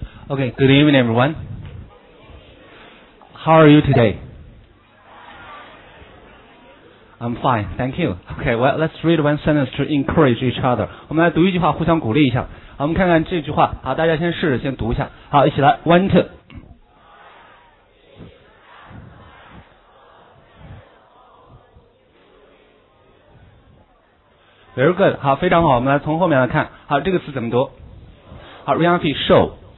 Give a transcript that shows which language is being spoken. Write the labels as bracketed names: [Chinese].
[English] Okay, good evening, everyone. How are you today? I'm fine, thank you. Okay, well, let's read one sentence to encourage each other. [Chinese] 我们来读一句话，互相鼓励一下。我们看看这句话，好，大家先试着先读一下。好，一起来 ，one, two。 [English] Very good， [Chinese] 好，非常好。我们来从后面来看，好，这个词怎么读？好 ，reality show。